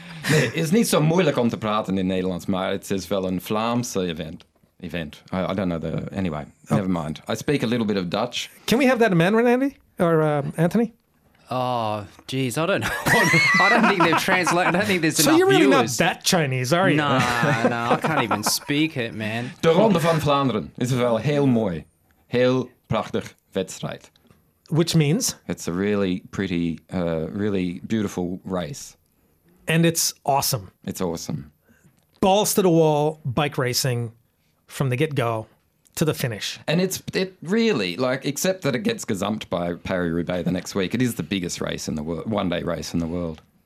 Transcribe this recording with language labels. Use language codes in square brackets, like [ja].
[nl] Nee, het is niet zo moeilijk om te praten in Nederlands, maar het is wel een Vlaamse event. [en] I don't know the... Anyway, never mind. I speak a little bit of Dutch. Can we have that in Mandarin, Andy? Or Anthony? Oh, geez, I don't know. I don't think they've translated. I don't think there's so enough So you're really not that Chinese, are you? No, I can't even speak it, man. [nl] De Ronde van Vlaanderen is wel heel mooi. Heel prachtig wedstrijd. [en] Which means? It's a really pretty, really beautiful race. And it's awesome. It's awesome. Balls to the wall, bike racing from the get-go to the finish. And it really, like, except that it gets gazumped by Paris-Roubaix the next week, it is the biggest race in the world, one-day race in the world.